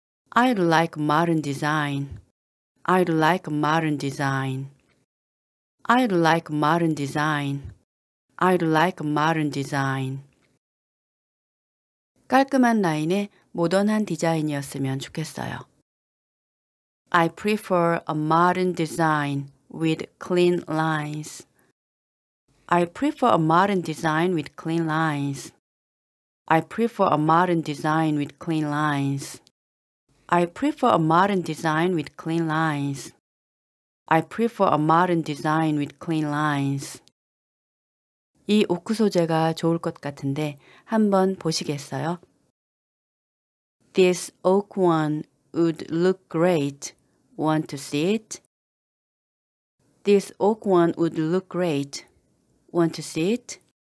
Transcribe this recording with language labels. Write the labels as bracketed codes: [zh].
[en] I'd like a modern design. I'd like a modern design. I'd like a modern design. I'd like a modern design. [ko] 깔끔한 라인에 모던한 디자인이었으면 좋겠어요. [en] I prefer a modern design with clean lines. I prefer a modern design with clean lines. I prefer a modern design with clean lines. I prefer a modern design with clean lines. I prefer a modern design with clean lines. [ko] 이 오크 소재가 좋을 것 같은데 한번 보시겠어요? [en] This oak one would look great. Want to see it? This oak one would look great. Want to see it?